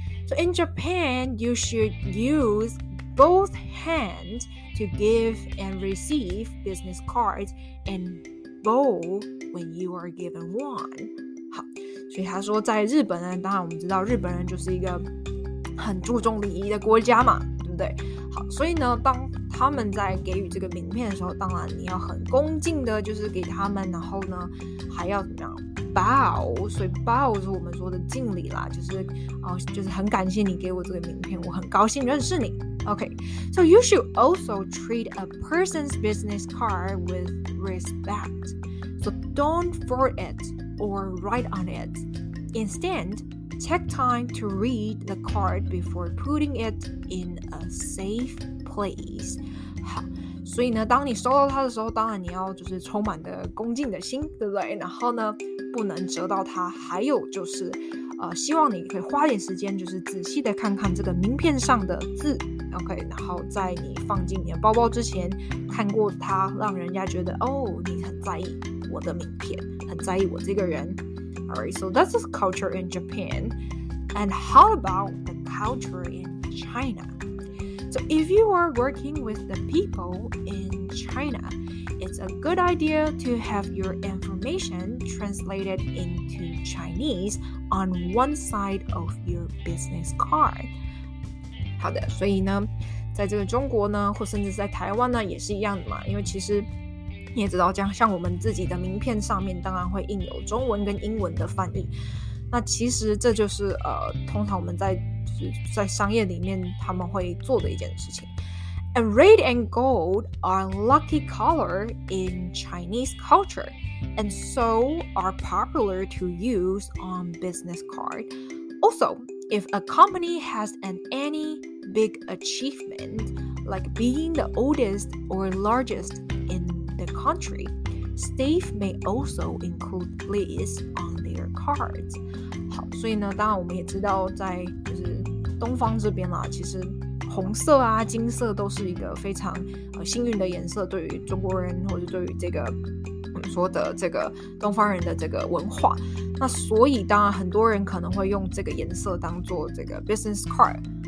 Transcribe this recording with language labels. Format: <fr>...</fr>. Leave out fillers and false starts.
<en>So in Japan you should use both hands to give and receive business cards andbowl when you are given one.</en> <zh>好，所以他说在日本呢，当然我们知道日本人就是一个很注重礼仪的国家嘛，对不对？好，所以呢，当他们在给予这个名片的时候，当然你要很恭敬的就是给他们，然后呢还要怎么样 bow， 所以 bow 是我们说的敬礼啦，就是很感谢你给我这个名片，我很高兴认识你。</zh> <en>Okay, so you should also treat a person's business card with respect. So don't fold it or write on it. Instead, take time to read the card before putting it in a safe place.</en> <zh>好，所以呢，当你收到它的时候，当然你要就是充满的恭敬的心，对不对？然后呢，不能折到它。还有就是，希望你可以花点时间，就是仔细的看看这个名片上的字。 OK， 然后在你放进你的包包之前看过它，让人家觉得哦，你很在意我的名片，很在意我这个人。</zh> <en>Alright, so that's the culture in Japan. And how about the culture in China? So if you are working with the people in China, it's a good idea to have your information translated into Chinese on one side of your business card.</en> <zh>好的，所以呢，在这个中国呢，或甚至在台湾呢，也是一样的嘛。因为其实你也知道，这样像我们自己的名片上面，当然会印有中文跟英文的翻译。那其实这就是通常我们在在商业里面他们会做的一件事情。</zh> <en>And red and gold are lucky color in Chinese culture, and so are popular to use on business card. Also. If a company has any big achievement, like being the oldest or largest in the country, staff may also include this on their cards.</en> <zh>好，所以呢，当然我们也知道，在就是东方这边啦，其实红色啊金色都是一个非常幸运的颜色，对于中国人或者对于这个我们说的这个东方人的这个文化，那所以当然很多人可能会用这个颜色当做这个 business card。</zh>